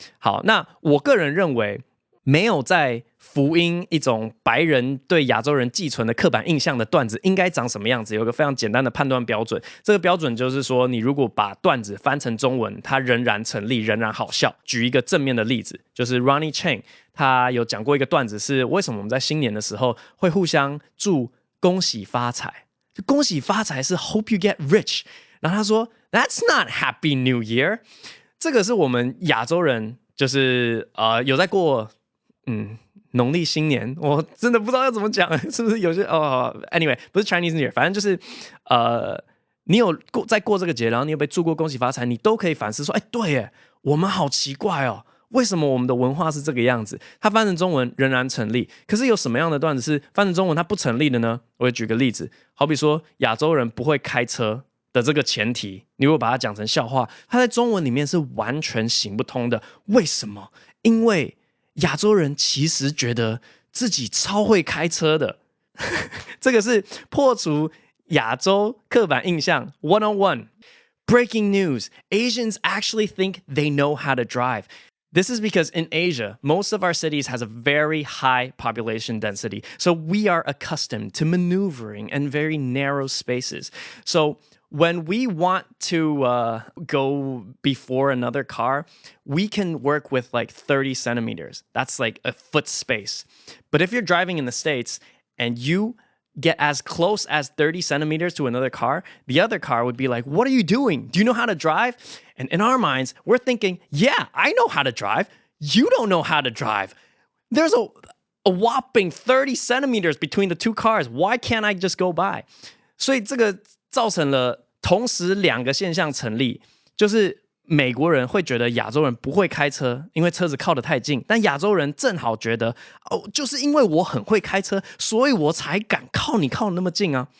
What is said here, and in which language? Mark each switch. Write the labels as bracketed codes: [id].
[zh] 好，那我个人认为没有在福音一种白人对亚洲人寄存的刻板印象的段子应该长什么样子，有个非常简单的判断标准。这个标准就是说，你如果把段子翻成中文，它仍然成立，仍然好笑。举一个正面的例子，就是 Ronnie Chang 他有讲过一个段子，是为什么我们在新年的时候会互相祝恭喜发财。恭喜发财是 [en] hope you get rich， [zh] 然后他说 [en] That's not Happy New Year。 [zh] 这个是我们亚洲人就是有在过农历新年，我真的不知道要怎么讲，是不是有些Anyway 不是 Chinese New Year， 反正就是你有过在过这个节，然后你有被祝过恭喜发财，你都可以反思说，哎，对耶，我们好奇怪哦，为什么我们的文化是这个样子。它翻成中文仍然成立，可是有什么样的段子是翻成中文它不成立的呢？我也举个例子，好比说亚洲人不会开车的这个前提，你如果把它讲成笑话，它在中文里面是完全行不通的。为什么？因为亚洲人其实觉得自己超会开车的。这个是破除亚洲刻板印象 [en] 101 Breaking news: Asians actually think they know how to drive. This is because in Asia, most of our cities has a very high population density, so we are accustomed to maneuvering in very narrow spaces. So,When we want to go before another car, we can work with like 30 centimeters. That's like a foot space. But if you're driving in the States and you get as close as 30 centimeters to another car, the other car would be like, what are you doing? Do you know how to drive? And in our minds, we're thinking, yeah, I know how to drive. You don't know how to drive. There's a whopping 30 centimeters between the two cars. Why can't I just go by? [zh] 所以这个造成了同时两个现象成立，就是美国人会觉得亚洲人不会开车，因为车子靠得太近，但亚洲人正好觉得，哦，就是因为我很会开车，所以我才敢靠你靠得那么近啊。